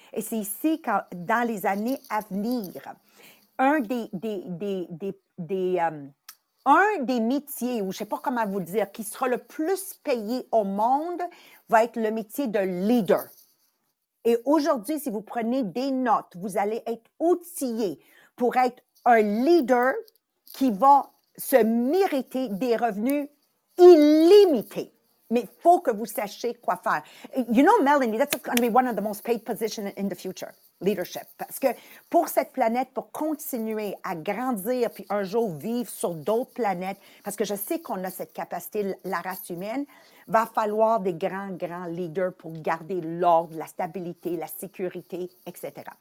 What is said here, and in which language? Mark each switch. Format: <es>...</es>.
<fr>Et c'est ici, quand, dans les années à venir, un des métiers, ou je ne sais pas comment vous dire, qui sera le plus payé au monde, va être le métier de leader. Et aujourd'hui, si vous prenez des notes, vous allez être outillé pour être un leader qui va se mériter des revenus illimités. Mais il faut que vous sachiez quoi faire.</fr> <en>You know, Melanie, that's going to be one of the most paid positions in the future. Leadership.</en> <fr>Parce que pour cette planète, pour continuer à grandir puis un jour vivre sur d'autres planètes, parce que je sais qu'on a cette capacité, la race humaine, va falloir des grands, grands leaders pour garder l'ordre, la stabilité, la sécurité, etc.</fr>